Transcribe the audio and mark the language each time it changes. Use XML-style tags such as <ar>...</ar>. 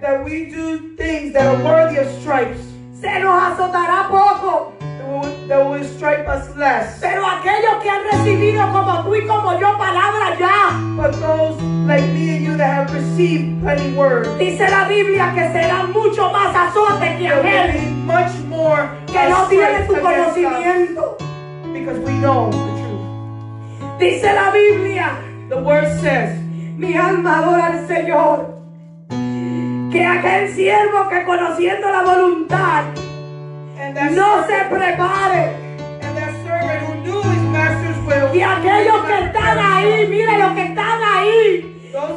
<en>That we do things that are worthy of stripes.</en> <es>Se nos azotará poco.</es> <en>That will strike us less.</en> <es>Pero aquellos que han recibido como tú y como yo palabra ya.</es> <en>But those like me and you that have received plenty words.</en> <es>Dice la Biblia que será mucho más azote que aquel.</es> <en>Much more</en> <es>que no tiene tu conocimiento.</es> <en>Us. because we know the truth.</en> <es>Dice la Biblia.</es> <en>The word says,</en> <es>mi alma adora al Señor. Que aquel siervo que conociendo la voluntad no se prepare.</es> <en>And that servant who knew his master's will.</en> <es>Y aquellos que están ahí, mire lo que están ahí.</es>